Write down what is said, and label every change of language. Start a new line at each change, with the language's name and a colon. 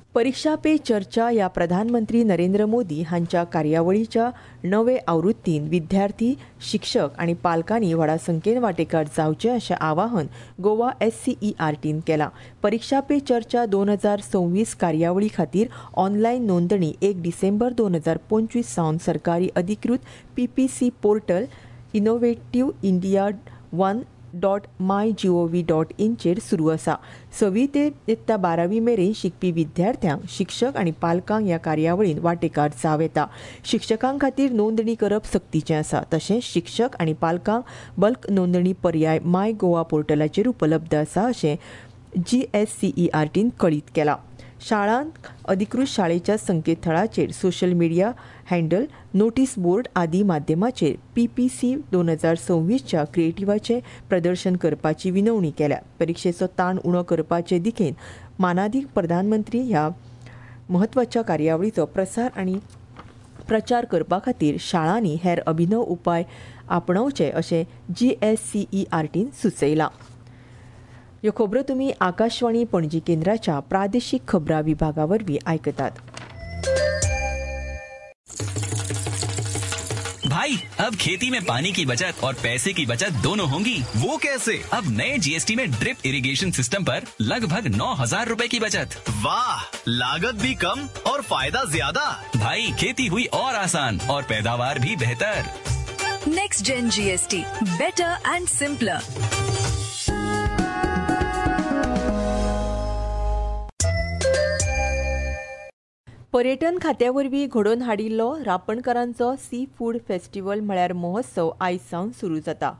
Goan Konkani: परीक्षा पे चर्चा या प्रधानमंत्री नरेंद्र मोदी हांच्या कार्यावळीच्या 9 आवृत्तीन विद्यार्थी, शिक्षक आणि पालकांनी व्हडा संख्येन वाटेकार जावचे असे आवाहन गोवा SCERT केला. परीक्षा पे चर्चा 2026 कार्यावळी खातीर ऑनलाईन नोंदणी 1 डिसेंबर 2025 सावन सरकारी अधिकृत PPC portal innovative India 1 www.mygov.in चेर सुरू आसा. 6 ते 12 मेरेन शिकपी विद्यार्थ्यांक शिक्षक आनी पालकांक ह्या कार्यावळीन वांटेकार जावं येता. शिक्षकां खातीर नोंदणी करप सक्तीचें आसा. तशेंच शिक्षक आनी पालकांक बल्क नोंदणी पर्याय माय गोवा पोर्टलाचेर उपलब्ध आसा अशें GSCERT कळीत केलां. शाळांत अधिकृत शाळेच्या संकेतथळाचेर social media handle notice board आदी माध्यमाचेर PPC 2026 क्रिएटिव्हाचे प्रदर्शन करपाची विनवणी केल्या. परिक्षेचो ताण उणो करपाचे दिखेन मानाधिक प्रधानमंत्री ह्या म्हत्वाच्या कार्यावळीचो प्रसार आनी प्रचार करपा खातीर शाळांनी हेर अभिनव उपाय आपणवचे अशें GSCERT सुचयलां. ह्यो खबरो तुम्ही आकाशवाणी पणजी केंद्राच्या प्रादेशिक खबरां विभागावरवी ऐकतात.
Hindi: भाई, अब खेती में पानी की बचत और पैसे की बचत दोनों होंगी. वो कैसे? अब नए GST में ड्रिप इरिगेशन सिस्टम पर लगभग 9000 रुपए की बचत. वाह, लागत भी कम और फायदा ज्यादा. भाई, खेती हुई और आसान और पैदावार भी बेहतर.
English: Next gen GST, better and simpler.
Goan Konkani: पर्यटन खात्यावरवी घडोवन हाडिल्लो रापणकरांचो सी फूड फेस्टिवल म्हळ्यार महोत्सव आयज सावन सुरू जाता.